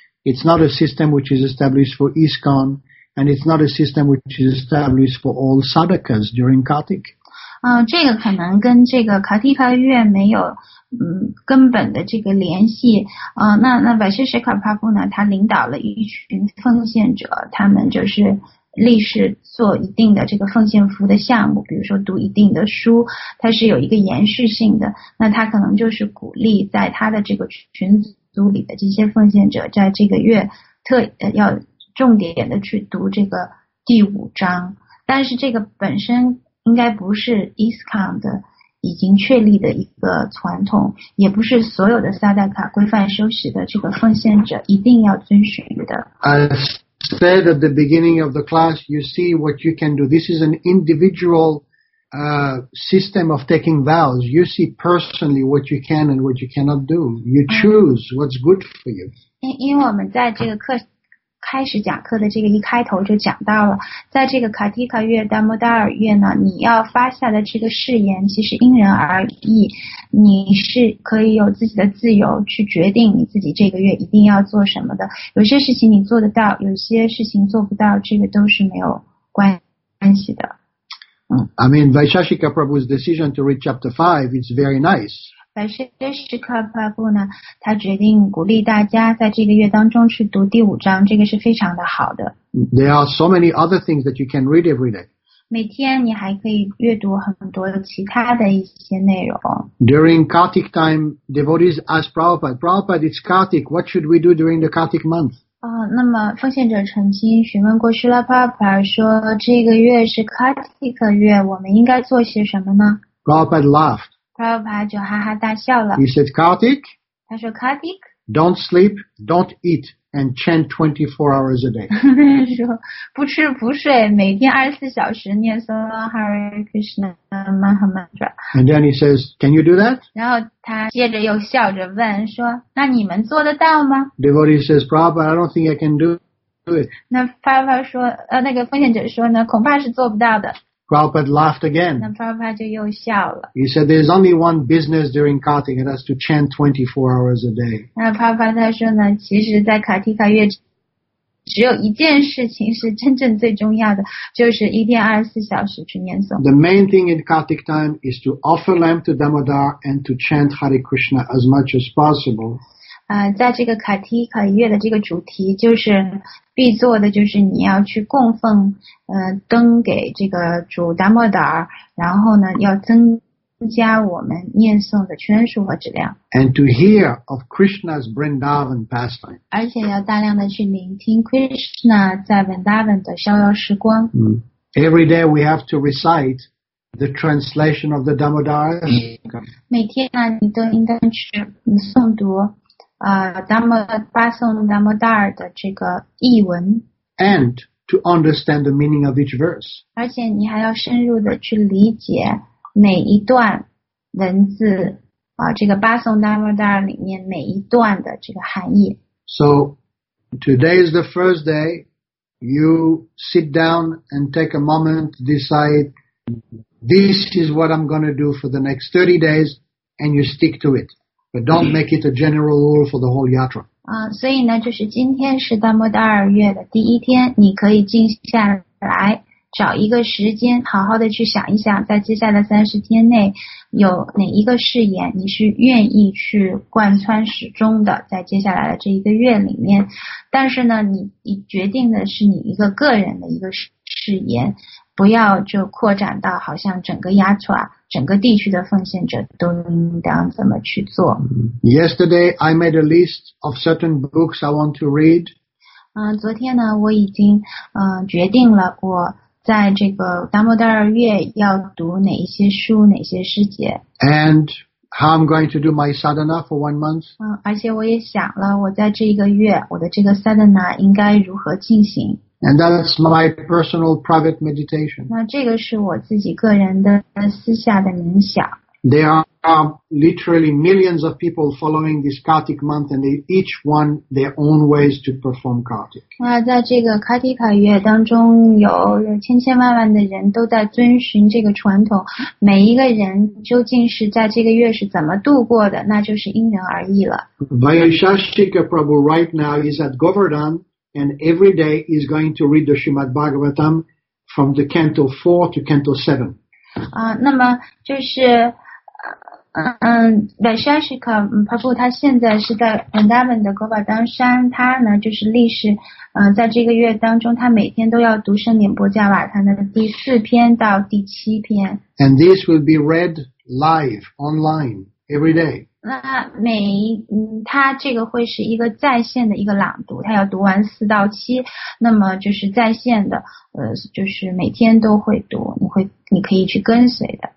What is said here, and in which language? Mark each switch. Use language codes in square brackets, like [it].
[en] It's not a system which is established for ISKCON, and it's not a system which is established for all sadhakas during Kartik. [zh] 这个可能跟这个卡提卡月没有根本的这个联系。那Vaisheshika Prabhu呢，他领导了一群奉献者，他们就是立誓做一定的这个奉献服务的项目，比如说读一定的书，它是有一个延续性的。那他可能就是鼓励在他的这个群组里的这些奉献者，在这个月要重点的去读这个第五章。但是这个本身应该不是 ISKCON 的已经确立的一个传统，也不是所有的萨达卡规范修习的这个奉献者一定要遵循的。 [en] As said at the beginning of the class, you see what you can do. This is an individual system of taking vows. You see personally what you can and what you cannot do. You choose what's good for you. [zh] 因为我们在这个课开始讲课的这个一开头就讲到了，在这个卡蒂卡月、达摩达尔月呢，你要发下的这个誓言其实因人而异，你是可以有自己的自由去决定你自己这个月一定要做什么的。有些事情你做得到，有些事情做不到，这个都是没有关系的。 [en] I mean, Vaisheshika Prabhu's decision to read chapter 5 is very nice. [zh] Vaisheshika Prabhu 呢，他决定鼓励大家在这个月当中去读第五章，这个是非常的好的。 [en] There are so many other things that you can read every day. [zh] 每天你还可以阅读很多其他的一些内容。 [en] During Kartik time, devotees ask Prabhupada, Prabhupada, it's Kartik, what should we do during the Kartik month? [zh] 那么奉献者曾经询问过 Srila Prabhupada 说，这个月是 Kartik 月，我们应该做些什么呢？ [en] Prabhupada laughed. [zh] Prabhupada 就哈哈大笑了。 [en] He said, Kartik? [zh] 他说 Kartik? [en] Don't sleep, don't eat, and chant 24 hours a day. [zh] 不吃不睡，每天24小时念诵 Hare Krishna Maha Mantra. [en] And then he says, can you do that? [zh] 然后他接着又笑着问说，那你们做得到吗？ [en] Devotee says, Prabhupada, I don't think I can do it. [zh] 那Prabhupada说，那个奉献者说呢，恐怕是做不到的。 [en] Prabhupada laughed again. [zh] 那 Prabhupada 就又笑了。 [en] He said, there's only one business during Kartika, that's to chant 24 hours a day. [zh] 那 Prabhupada 他说呢，其实在卡提卡月只有一件事情是真正最重要的，就是一天24小时去念诵。 [en] The main thing in Kartik time is to offer lamb to Damodar and to chant Hare Krishna as much as possible. [zh] 在这个卡提卡月的这个主题就是必做的就是你要去供奉灯给这个主达摩达尔，然后呢要增加我们念诵的圈数和质量。 [en] And to hear of Krishna's Vrindavan pastime. [zh] 而且要大量的去聆听 Krishna 在 Vrindavan 的逍遥时光。 Mm. [en] Every day we have to recite the translation of the Damodara. [zh] 每天呢你都应当去诵读巴颂达摩达尔的这个译文。 [en] And to understand the meaning of each verse. [zh] 而且你还要深入的去理解每一段文字这个巴颂达摩达尔里面每一段的这个含义。 [en] So, today is the first day. You sit down and take a moment to decide, this is what I'm going to do for the next 30 days, and you stick to it. But don't make it a general rule for the whole yatra. [zh] 所以呢，就是今天是达摩达尔月的第一天，你可以静下来，找一个时间，好好的去想一想，在接下来三十天内，有哪一个誓言你是愿意去贯穿始终的，在接下来的这一个月里面。但是呢，你决定的是你一个个人的一个誓言，不要就扩展到好像整个yatra。整个地区的奉献者都应当怎么去做。 [en] Yesterday, I made a list of certain books I want to read. [zh] 昨天呢，我已经决定了我在这个达摩达尔月要读哪一些书，哪些诗节。 [en] And how I'm going to do my sadhana for 1 month. [zh] 而且我也想了，我在这一个月，我的这个 sadhana 应该如何进行。 [en] And that's my personal private meditation. [zh] 那这个是我自己个人的私下的冥想。 [en] There are literally millions of people following this Kartik month, and they each one their own ways to perform Kartik. [zh] 那在这个卡提卡月当中，有千千万万的人都在遵循这个传统。每一个人究竟是在这个月是怎么度过的，那就是因人而异了。 [en] Vaisheshika Prabhu right now is at Govardhan. And every day is going to read the Srimad Bhagavatam from the Canto 4 to Canto 7. [zh] 那么就是Vaisheshika Prabhu 他现在是在 Vrindavan 的 Govardhan 山，他呢就是历史在这个月当中他每天都要读圣典波迦瓦他的第四篇到第七篇。 [en] And this will be read live online every day. [zh] 那他这个会是一个在线的一个朗读，他要读完四到七，那么就是在线的，就是每天都会读，你可以去跟随的。